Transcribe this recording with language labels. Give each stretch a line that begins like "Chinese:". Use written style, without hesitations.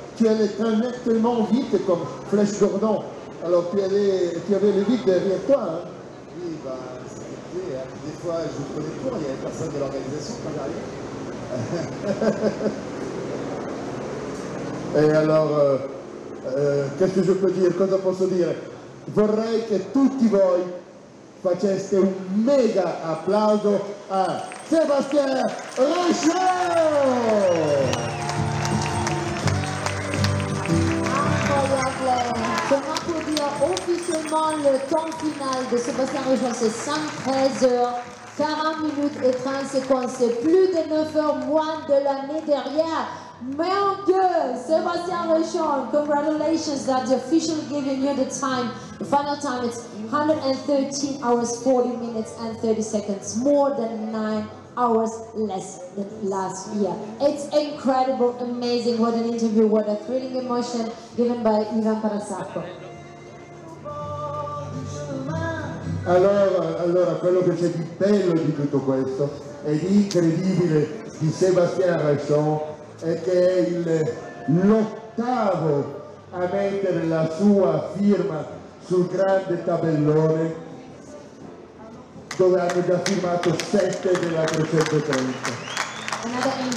French: Tu allais tellement vite comme Flèche Gordon. Alors tu avais le vide derrière toi. Hein. Oui, bah, des fois, je prenais cours, il n'y avait personne de l'organisation pas derrière. Et alors. Qu'est-ce que je peux dire?
Italian: Cosa posso dire? Vorrei che tutti voi faceste un mega applauso a Sébastien Richon!
French: Incroyable! Comme on peut dire officiellement, le temps final de Sébastien Richon, c'est 113h40min30s. C'est plus de 9h moins de l'année dernière. Mon Dieu,
English: Sébastien Richon, congratulations that the official giving you the time, the final time, it's 113 hours, 40 minutes and 30 seconds, more than 9 hours less than last year. It's incredible, amazing, what an interview, what a thrilling emotion given by Ivan Parasacco.
Italian: Allora, quello che c'è di bello di tutto questo è incredibile di Sébastien Richon, è che è l'ottavo a mettere la sua firma sul grande tabellone dove hanno già firmato 7 della 330.